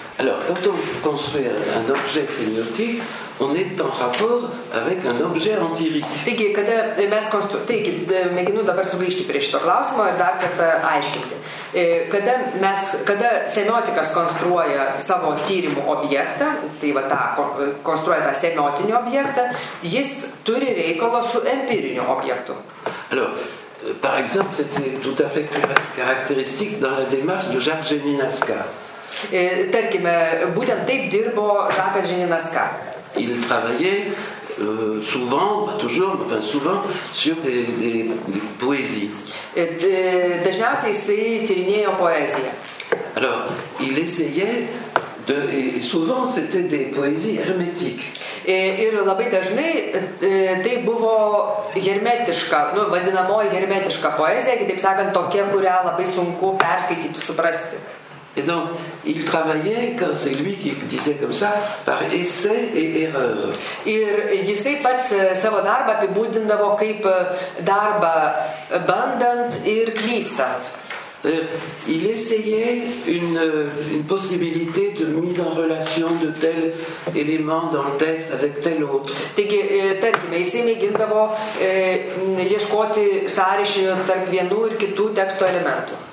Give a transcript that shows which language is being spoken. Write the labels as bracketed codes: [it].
[fr] Alors, quand on construit un objet sémiotique, on est en rapport avec un objet empirique. [lt] Taigi, kada mes taigi, mėginu dabar sugrįžti prie šito klausimo ir dar kartą aiškinti. Kada semiotikas konstruoja savo tyrimų objektą, tai va tą, konstruoja tą semiotinį objektą, jis turi reikalo su empiriniu objektu. [fr] Alors, par exemple, c'était tout à fait caractéristique dans la démarche de Jacques Geninaska. [lt] Tarkime, būtent taip dirbo Jacques Geninaska. [fr] Il travaillait souvent, pas toujours, mais enfin souvent, sur des poésies. [lt] Dažniausiai jisai tyrinėjo poeziją. [fr] Alors, il essayait de, et souvent c'était des poésies hermétiques. [lt] Ir labai dažnai tai buvo hermetiška, nu, vadinamoji hermetiška poezija, kitaip sakant, tokia, kurią labai sunku perskaityti, suprasti. [fr] Et donc, il travaillait, quand c'est lui qui disait comme ça, par essai et erreur. [lt] Ir jisai pats savo darbą apibūdindavo kaip darbą bandant ir klystant. [fr] Il essayait une possibilité de mise en relation de tel élément dans le texte avec tel autre. [lt] Taigi, tarkime, jisai mėgindavo ieškoti sąryšį tarp vienų ir kitų teksto elementų.